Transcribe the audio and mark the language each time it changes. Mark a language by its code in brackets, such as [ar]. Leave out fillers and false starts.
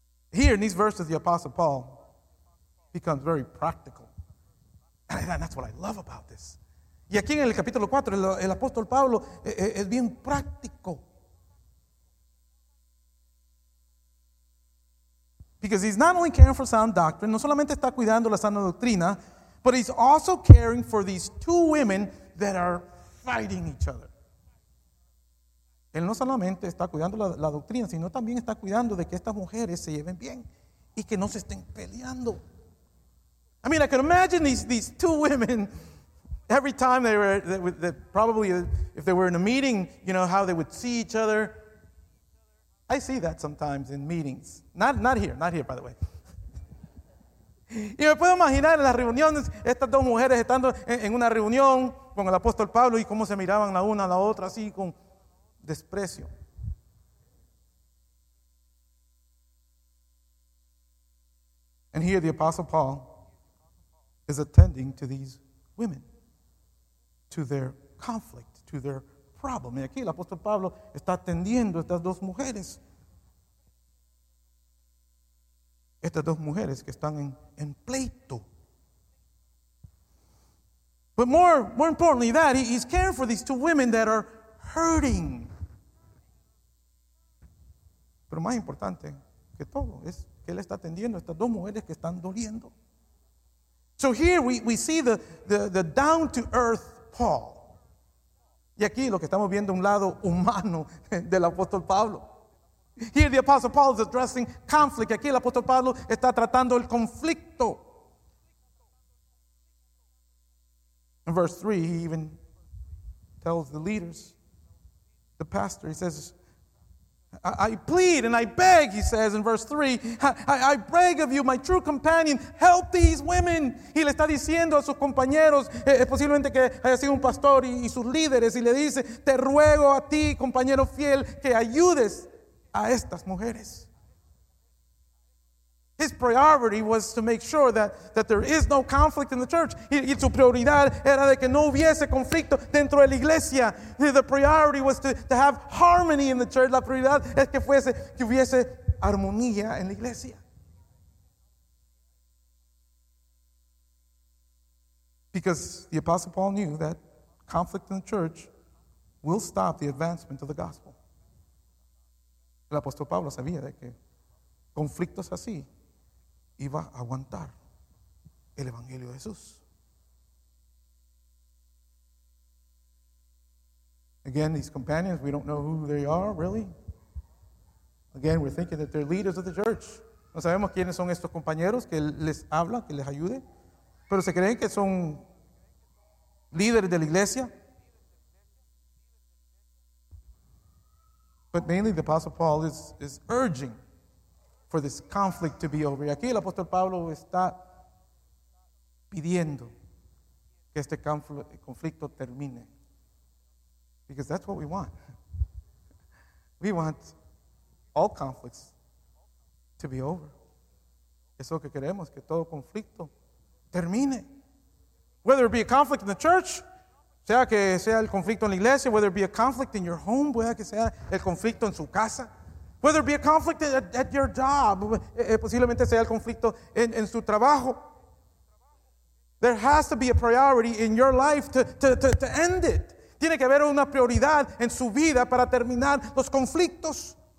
[en] Here in these verses, the apostle Paul becomes very practical. And that's what I love about this. [es] Y aquí en el capítulo 4, el apóstol Pablo es bien práctico. [en] Because he's not only caring for sound doctrine, [es] no solamente está cuidando la sana doctrina, [en] but he's also caring for these two women that are fighting each other. [es] Él no solamente está cuidando la doctrina, sino también está cuidando de que estas mujeres se lleven bien y que no se estén peleando. [en] I mean, I can imagine these two women, every time they were, probably if they were in a meeting, you know, how they would see each other. I see that sometimes in meetings. Not here, by the way. [es] Y me puedo imaginar en las reuniones, estas dos mujeres estando en una reunión con el apóstol Pablo y cómo se miraban la una a la otra así con desprecio. [en] And here the apostle Paul is attending to these women, to their conflict, to their problem. [es] Y aquí el apóstol Pablo está atendiendo a estas dos mujeres. Estas dos mujeres que están en pleito. [en] But more importantly that, he's caring for these two women that are hurting. [es] Pero más importante que todo es que él está atendiendo a estas dos mujeres que están doliendo. [en] So here we see the down-to-earth Paul. [es] Y aquí lo que estamos viendo un lado humano del apóstol Pablo. [en] Here the Apostle Paul is addressing conflict. [es] Aquí el apóstol Pablo está tratando el conflicto. [en] In verse 3, he even tells the leaders, the pastor, he says, I plead and I beg, he says in verse 3, I beg of you, my true companion, help these women. [es] Y le está diciendo a sus compañeros, posiblemente que haya sido un pastor y sus líderes, y le dice, te ruego a ti, compañero fiel, que ayudes a estas mujeres. [en] His priority was to make sure that there is no conflict in the church. [es] Y su prioridad era de que no hubiese conflicto dentro de la iglesia. [en] The priority was to have harmony in the church. [es] La prioridad es que hubiese armonía en la iglesia. [en] Because the Apostle Paul knew that conflict in the church will stop the advancement of the gospel. [es] El apóstol Pablo sabía de que conflictos así iba a aguantar el evangelio de Jesús. [en] Again, these companions, we don't know who they are, really. Again, we're thinking that they're leaders of the church. [es] No sabemos quiénes son estos compañeros que les habla, que les ayude, pero se creen que son líderes de la iglesia. [en] But mainly the Apostle Paul is urging for this conflict to be over. [es] Y aquí el apóstol Pablo está pidiendo que este conflicto termine. [en] Because that's what we want. We want all conflicts to be over. [es] Eso que queremos, que todo conflicto termine. [en] Whether it be a conflict in the church, [es] sea que sea el conflicto en la iglesia, [en] whether it be a conflict in your home, [es] pueda que sea el conflicto en su casa, [en] whether it be a conflict at your job, [es] posiblemente sea el conflicto en su trabajo. [en] There has to be a priority in your life to end it. [es] Tiene que haber una prioridad en su vida para terminar los conflictos.